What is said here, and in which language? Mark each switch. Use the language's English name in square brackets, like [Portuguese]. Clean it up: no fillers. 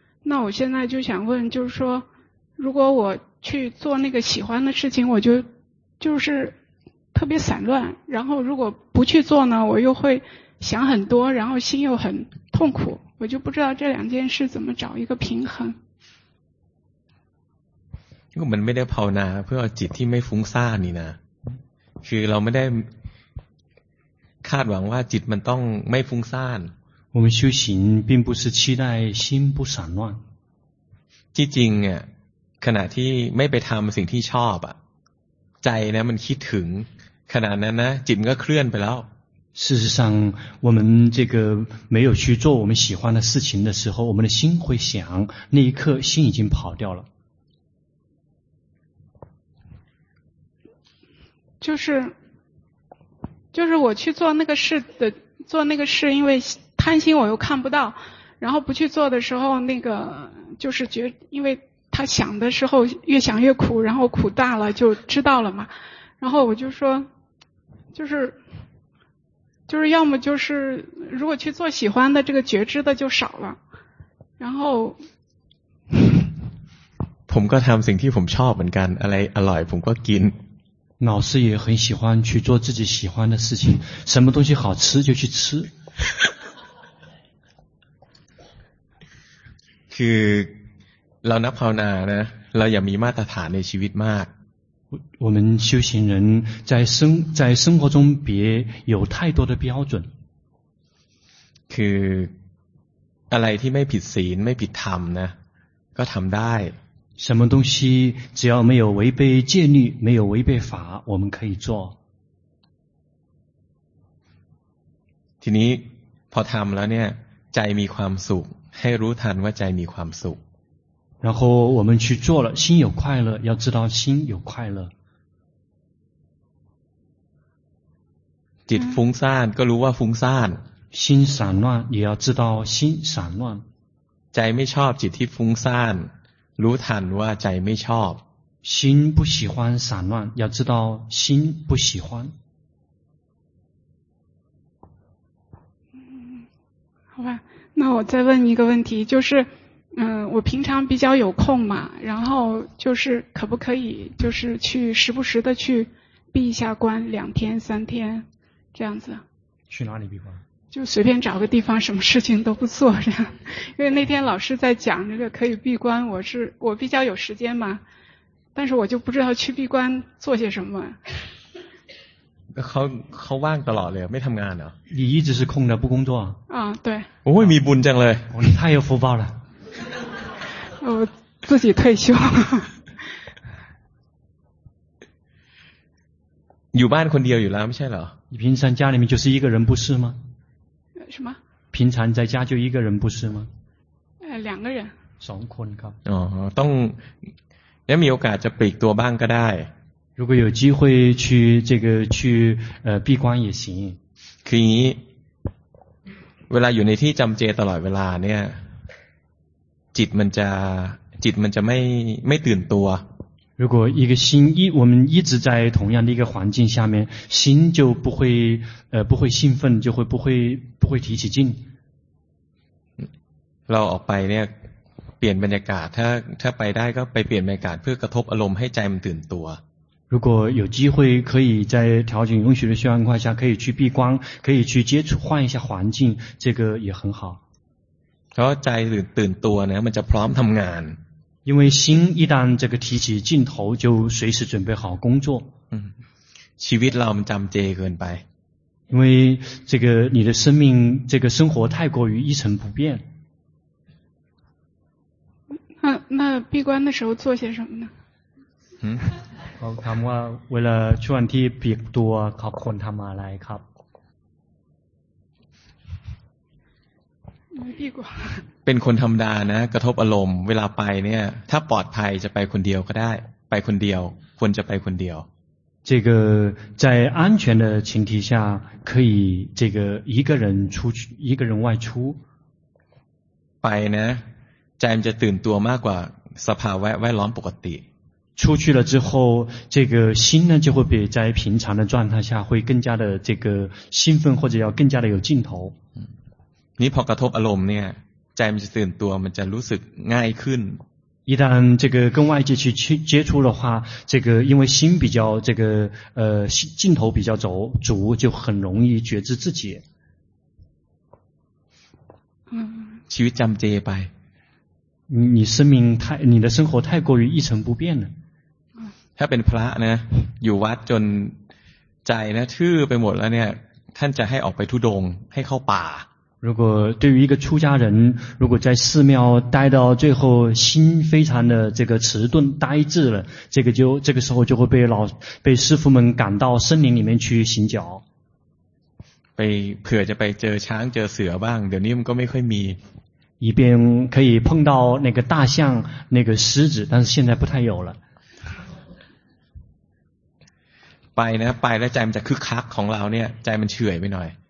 [Chinese] 那我现在就想问，就是说如果我去做那个喜欢的事情，我就是特别散乱，然后如果不去做呢，我又会想很多，然后心又很痛苦，我就不知道这两件事怎么找一个平衡。因为我们没得 [Thai] ภาวนา เพื่อจิตที่ไม่ฟุ้งซ่านนี่นะ คือเราไม่ได้คาดหวังว่าจิตมันต้องไม่ฟุ้งซ่าน [Chinese] 我们修行并不是期待心不散乱。 [Thai] ที่จริงอ่ะขณะที่ไม่ไปทำสิ่งที่ชอบอ่ะใจนะมันคิดถึงขณะนั้นนะจิตก็เคลื่อนไปแล้ว [Chinese] 事实上我们这个没有去做我们喜欢的事情的时候我们的心会想那一刻心已经跑掉了就是我去做那个事的做那个事因为贪心我又看不到然后不去做的时候那个就是觉因为他想的时候越想越苦然后苦大了就知道了嘛然后我就说就是要么就是如果去做喜欢的这个觉知的就少了然后 [Thai] ผมก็ทำสิ่งที่ผมชอบเหมือนกันอะไรอร่อยผมก็กิน [Chinese] 老师也很喜欢去做自己喜欢的事情什么东西好吃就去吃 [Thai] คือเรานักภาวนานะเราอย่ามีมาตรฐานในชีวิตมาก [Chinese] 我们修行人在生活中别有太多的标准 [Thai] คืออะไรที่ไม่ผิดศีลไม่ผิดธรรมนะก็ทำได้ [Chinese] 什么东西只要没有违背戒律没有违背法我们可以做 [Thai] ทีนี้พอทำแล้วเนี่ยใจมีความสุขให้รู้ทันว่าใจมีความสุข [Chinese] 然后我们去做了心有快乐要知道心有快乐 [Thai] จิตฟุ้งซ่านก็รู้ว่าฟุ้งซ่าน [Chinese] 心散乱也要知道心散乱 [Thai] ใจไม่ชอบจิตที่ฟุ้งซ่านรู้ทันว่าใจไม่ชอบ [Chinese] 心不喜欢散乱要知道心不喜欢好吧那我再问一个问题就是我平常比较有空嘛然后就是可不可以就是去时不时的去闭一下关两天三天这样子去哪里闭关就随便找个地方什么事情都不做这样因为那天老师在讲这个可以闭关我比较有时间嘛但是我就不知道去闭关做些什么 [Thai] เขาว่างตลอดเลยไม่ทำงานเหรอ [Chinese] 你一直是空的不工作啊对我会 [Thai] มีบุญจังเลย [Chinese] 你太有福报了我自己退休 [Thai] อยู่บ้านคนเดียวอยู่แล้วไม่ใช่เหรอ [Chinese] 你平常家里面就是一个人不是吗什么平常在家就一个人不是吗两个人 [Thai] 2คนครับ อ๋อต้องแล้วมีโอกาสจะปลีกตัวบ้างก็ได้ [Chinese] 如果有机会去这个去闭关也行 [Thai] คือเวลาอยู่ในที่จำเจตลอดเวลาเนี่ยจิตมันจะไม่ตื่นตัว [Chinese] 如果一个心我们一直在同样的一个环境下面心就不会兴奋就会不会提起劲 [Thai] เราออกไปเนี่ยเปลี่ยนบรรยากาศถ้าไปได้ก็ไปเปลี่ยนบรรยากาศเพื่อกระทบอารมณ์ให้ใจมันตื่นตัว [Chinese] 如果有机会可以在条件允许的情况下可以去闭关可以去接触换一下环境这个也很好 [Thai] เพราะใจตื่นตัวเนี่ยมันจะพร้อมทำงาน [Chinese] 因为心一旦这个提起劲头就随时准备好工作 [Thai] ชีวิตเรามันจำเจเกินไป [Chinese] 因为这个你的生命这个生活太过于一成不变那闭关的时候做些什么呢嗯 [Thai] เราทำว่าเวลาช่วงที่ปิดตัวขอบคุณทำอะไรครับ [Chinese] 闭关 [Thai] เป็นคนธรรมดานะกระทบอารมณ์เวลาไปเนี่ยถ้าปลอดภัยจะไปคนเดียวก็ได้ไปคนเดียวควรจะไปคนเดียว [Chinese] 这个在安全的前提下可以这个一个人出去一个人外出 [Thai] ไปนะใจมันจะตื่นตัวมากกว่าสภาวะแวดล้อมปกติ [Chinese] 出去了之后，这个心呢就会比在平常的状态下会更加的这个兴奋，或者要更加的有劲头。 [Thai] นี่พอกระทบอารมณ์เนี่ยใจมันจะตื่นตัวมันจะรู้สึกง่ายขึ้น [Chinese] 一旦这个跟外界去接触的话，这个因为心比较这个劲头比较足，就很容易觉知自己。嗯。 [Thai] ชีวิตจำเจไป [Chinese] 你的生活太过于一成不变了。 [Thai] ถ้าเป็นพระนะอยู่วัดจนใจนะทื่อไปหมดแล้วเนี่ยท่านจะให้ออกไปทุดงให้เข้าป่า [Chinese] 如果对于一个出家人，如果在寺庙待到最后，心非常的这个迟钝呆滞了，这个时候就会被师父们赶到森林里面去行脚。 [Thai] ไปเผื่อจะไปเจอช้างเจอเสือบ้างเดี๋ยวนี้มันก็ไม่ค่อยมี [Chinese] 以便可以碰到那个大象那个狮子，但是现在不太有了。 [Thai] ไปนะไปแล้วใจมันจะคึกคักของเราเนี่ยใจมันเฉื่อยไปหน่อย